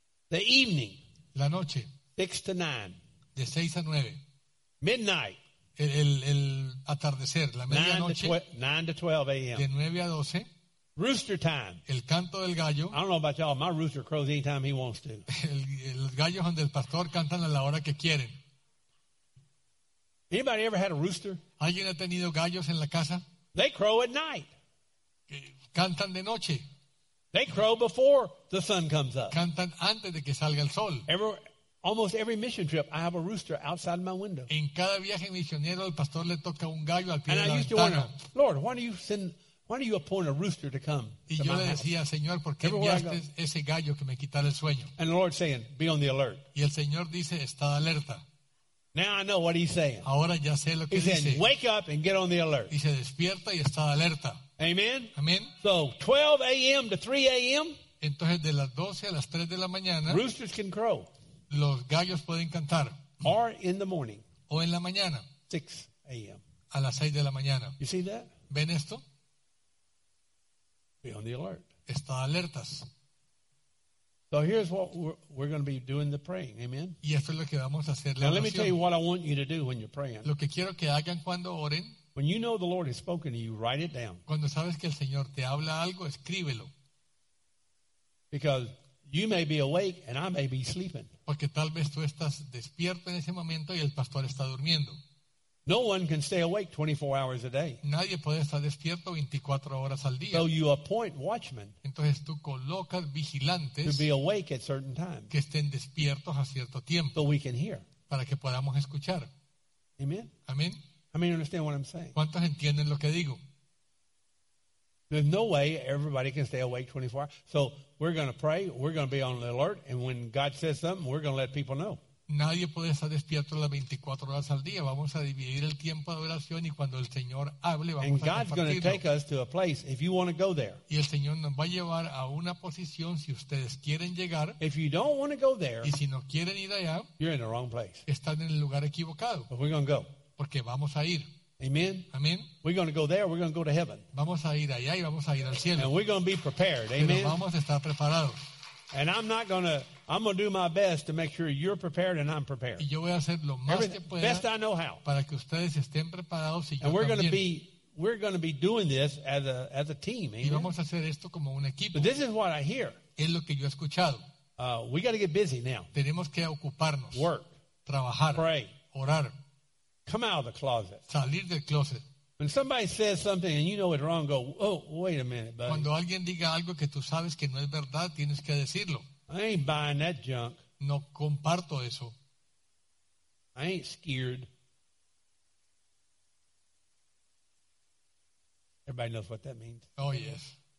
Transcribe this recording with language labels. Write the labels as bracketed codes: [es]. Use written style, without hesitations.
[en] The evening. [es] La noche. [en] 6 to 9. [es] De 6 a 9. [en] Midnight. [es] El atardecer, la medianoche. [en] 9 to 12 a.m. [es] De 9 a 12. [en] Rooster time. [es] El canto del gallo. [en] I don't know about y'all, my rooster crows anytime he wants to. [es] Los gallos donde el pastor cantan a la hora que quieren. [en] Anybody ever had a rooster? [es] ¿Alguien ha tenido gallos en la casa? [en] They crow at night. [es] Cantan de noche. [en] They crow before the sun comes up. [es] Cantan antes de que salga el sol. [en] Almost every mission trip, I have a rooster outside my window. [es] En cada viaje misionero, el pastor le toca un gallo al pie de la [en] And I used to wonder, Lord, why do you send? Why do you appoint a rooster to come? [es] Y yo le decía, Señor, ¿por qué enviaste ese gallo que me quitara el sueño? [en] And the Lord saying, be on the alert. [es] Y el Señor dice, estad alerta. [en] Now I know what he's saying. [es] Ahora ya sé lo que [en] dice. He said, wake up and get on the alert. [es] Y se despierta y estad alerta. [en] Amen. [es] Amen. [en] So 12 a.m. to 3 a.m. [es] Entonces de las 12 a las 3 de la mañana. [en] Roosters can crow. [es] Los gallos pueden cantar. [en] Or in the morning. [es] O en la mañana. [en] 6 a.m. [es] A las 6 de la mañana. [en] You see that? [es] ¿Ven esto? [en] Be on the alert. [es] Estad alertas. [en] So here's what we're going to be doing, the praying. Amen. [es] Y esto es lo que vamos a hacer, la oración. [en] Now let me tell you what I want you to do when you're praying. [es] Lo que quiero que hagan cuando oren. [en] When you know the Lord has spoken to you, write it down. [es] Cuando sabes que el Señor te habla algo, escríbelo. [en] Because You may be awake and I may be sleeping. [es] Porque tal vez tú estás despierto en ese momento y el pastor está durmiendo. [en] No one can stay awake 24 hours a day. [es] Nadie puede estar despierto 24 horas al día. [en] So you appoint watchmen. [es] Entonces tú colocas vigilantes [en] to be awake at certain times. [es] Que estén despiertos a cierto tiempo. [en] So we can hear. [es] Para que podamos escuchar. [en] Amen. [es] Amen. [en] How many understand what I'm saying? [es] ¿Cuántos entienden lo que digo? [en] There's no way everybody can stay awake 24 hours. So we're going to pray, we're going to be on the alert, and when God says something, we're going to let people know. [es] Nadie puede estar despierto las 24 horas al día. Vamos a dividir el tiempo de oración y cuando el Señor hable, vamos a compartirlo. [en] And God's going to take us to a place if you want to go there. [es] Y el Señor nos va a llevar a una posición si ustedes quieren llegar. [en] If you don't want to go there, [es] y si no quieren ir allá, [en] you're in the wrong place. [es] Están en el lugar equivocado. [en] But we're going to go. [es] Porque vamos a ir. [en] Amen. [es] Amen. [en] We're going to go there. We're going to go to heaven. [es] Vamos a ir allá y vamos a ir al cielo. [en] And we're going to be prepared. Amen. [es] Pero vamos a estar preparados. [en] And I'm going to do my best to make sure you're prepared and I'm prepared. [es] Y yo voy a hacer lo más que pueda. [en] Best I know how. [es] Para que ustedes estén preparados y yo también. [en] And we're going to be doing this as a team. Amen. [es] Y vamos a hacer esto como un equipo. [en] But this is what I hear. [es] Es lo que yo he escuchado. [en] We got to get busy now. [es] Tenemos que ocuparnos. [en] Work. [es] Trabajar. [en] Pray. [es] Orar. [en] Come out of the closet. [es] Salir del closet. [en] When somebody says something and you know it's wrong, go, oh, wait a minute, buddy. [es] Cuando alguien diga algo que tú sabes que no es verdad, tienes que decirlo. [en] I ain't buying that junk. [es] No comparto eso. [en] I ain't scared. Everybody knows what that means. Oh, yes.